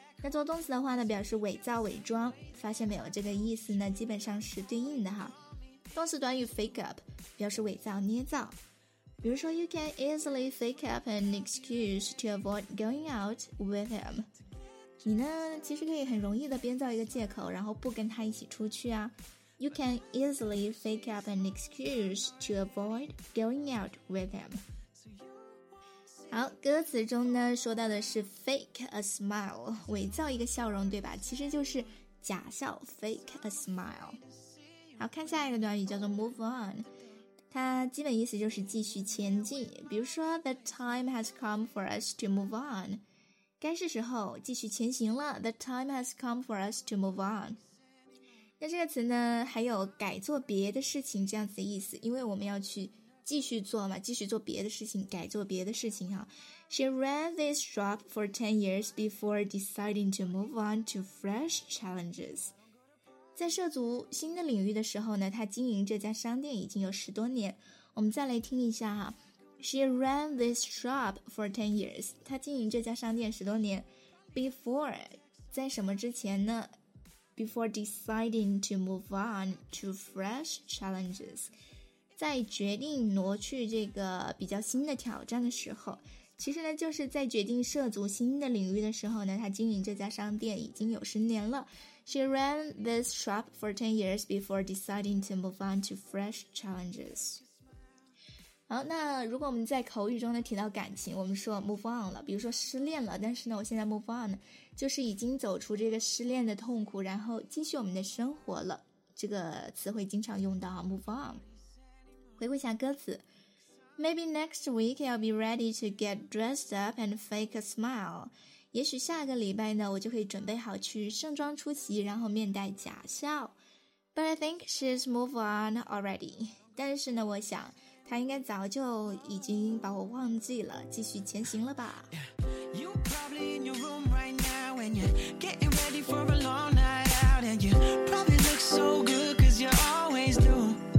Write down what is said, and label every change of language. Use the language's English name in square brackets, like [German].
[Chinese] 那做动词的话呢，表示伪造、伪装。发现没有，这个意思呢基本上是对应的哈。动词短语 fake up 表示伪造捏造，比如说 [English] you can easily fake up an excuse to avoid going out with him。 [Chinese] 你呢其实可以很容易的编造一个借口然后不跟他一起出去啊。 [English] You can easily fake up an excuse to avoid going out with him。 [Chinese] 好，歌词中呢说到的是 fake a smile， 伪造一个笑容对吧，其实就是假笑 fake a smile。好，看下一个短语叫做 move on，它基本意思就是继续前进，比如说 [English] The time has come for us to move on， [Chinese] 该是时候继续前行了， The time has come for us to move on。那这个词呢还有改做别的事情这样子的意思，因为我们要去继续做嘛，继续做别的事情，改做别的事情啊。 [English] She ran this job for 10 years before deciding to move on to fresh challenges。 [Chinese] 在涉足新的领域的时候呢，他经营这家商店已经有十多年。我们再来听一下哈。 [English] She ran this shop for 10 years. [Chinese] 他经营这家商店十多年。Before, 在什么之前呢？ [English] Before deciding to move on to fresh challenges. [Chinese] 在决定挪去这个比较新的挑战的时候，其实呢就是在决定涉足新的领域的时候呢，他经营这家商店已经有十年了。 [English] She ran this shop for 10 years before deciding to move on to fresh challenges. [Chinese] 好，那如果我们在口语中呢提到感情，我们说 move on 了，比如说失恋了，但是呢我现在 move on 就是已经走出这个失恋的痛苦然后继续我们的生活了，这个词汇经常用到 move on。回顾一下歌词， [English] Maybe next week I'll be ready to get dressed up and fake a smile. [Chinese] 也许下个礼拜呢，我就可以准备好去盛装出席，然后面带假笑。 [English] But I think she's moved on already. [Chinese] 但是呢，我想她应该早就已经把我忘记了，继续前行了吧。 [English] You're probably in your room right now and you're getting ready for a long night out and you probably look so good cause you always do.